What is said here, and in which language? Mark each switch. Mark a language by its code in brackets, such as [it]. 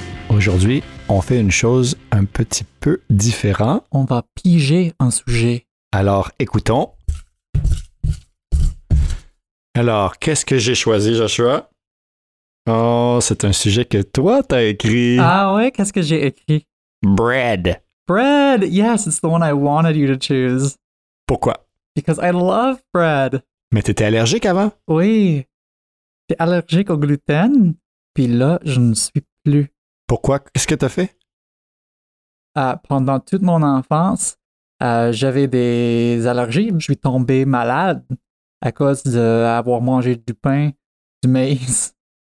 [fr] Aujourd'hui, on fait une chose un petit peu différent. On va piger un sujet. Alors, écoutons. Alors, qu'est-ce que j'ai choisi, Joshua? Oh, c'est un sujet que toi, t'as écrit. Ah ouais, qu'est-ce que j'ai écrit? [en] Bread. Bread, yes, it's the one I wanted you to choose. [fr] Pourquoi? [en] Because I love bread. [fr] Mais t'étais allergique avant? Oui, j'étais allergique au gluten, puis là, je ne suis plus. Pourquoi? Qu'est-ce que t'as fait? Pendant toute mon enfance, j'avais des allergies, je suis tombé malade à cause d'avoir mangé du pain, du maïs.